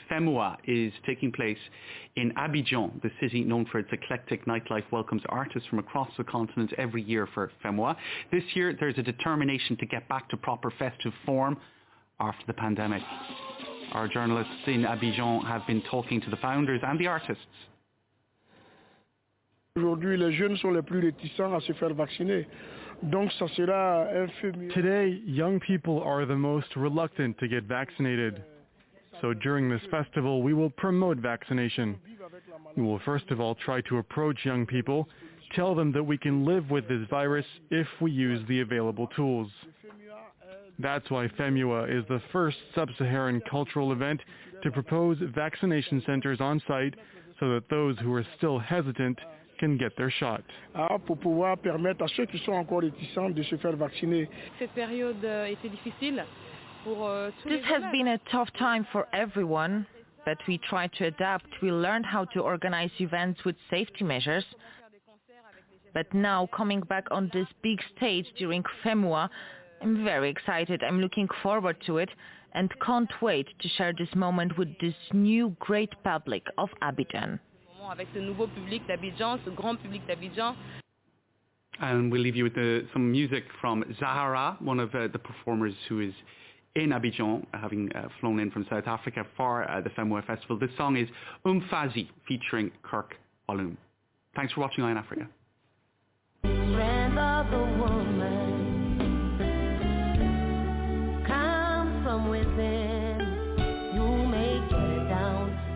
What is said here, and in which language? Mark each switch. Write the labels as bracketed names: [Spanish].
[English] FEMWA is taking place in Abidjan. The city, known for its eclectic nightlife, welcomes artists from across the continent every year for FEMWA. This year, there's a determination to get back to proper festive form after the pandemic. Our journalists in Abidjan have been talking to the founders and the artists. [French] Aujourd'hui, les jeunes sont les plus réticents à se faire vacciner. [English] Today, young people are the most reluctant to get vaccinated. So during this festival, we will promote vaccination. We will first of all try to approach young people, tell them that we can live with this virus if we use the available tools. That's why FEMWA is the first sub-Saharan cultural event to propose vaccination centers on site so that those who are still hesitant can get their shot. [French] Ah, pour pouvoir permettre à ceux qui sont encore réticents de se faire vacciner. Cette période était difficile pour tous. [English] This has been a tough time for everyone, but we tried to adapt. We learned how to organize events with safety measures. But now coming back on this big stage during FEMWA, I'm very excited. I'm looking forward to it and can't wait to share this moment with this new great public of Abidjan. [French] Avec ce nouveau public d'Abidjan, ce grand public d'Abidjan. [English] And we'll leave you with some music from Zahara, one of the performers who is in Abidjan, having flown in from South Africa for the FEMWA Festival. This song is Umfazi, featuring Kirk Olum. Thanks for watching Ion Africa. Strength of the woman, come from within, you make it down.